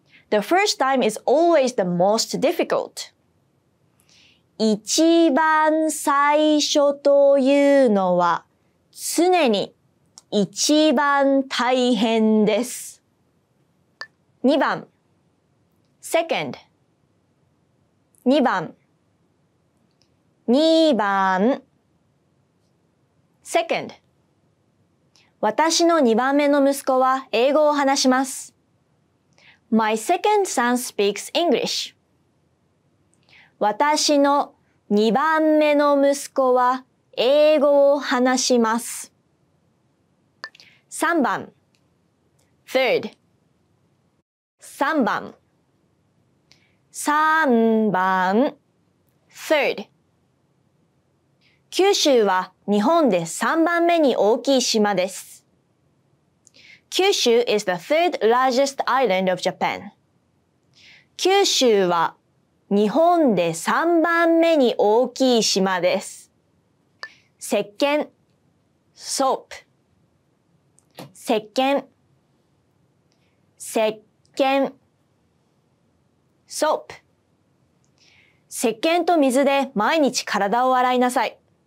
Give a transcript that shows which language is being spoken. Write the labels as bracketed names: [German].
[English] The first time is always the most difficult. [Japanese] 一番最初というのは常に一番大変です。 2番 Second 2番2番 Second 私の2番目の息子は英語を話します。 [English] My second son speaks English. [Japanese] 私の2番目の息子は英語を話します。 3番 Third 3番3番 Third 九州は日本で3番目に大きい島です。 [English] Kyushu is the third largest island of Japan. [Japanese] 九州は日本で3番目に大きい島です。石鹸 soap 石鹸石鹸 soap 石鹸と水で毎日体を洗いなさい。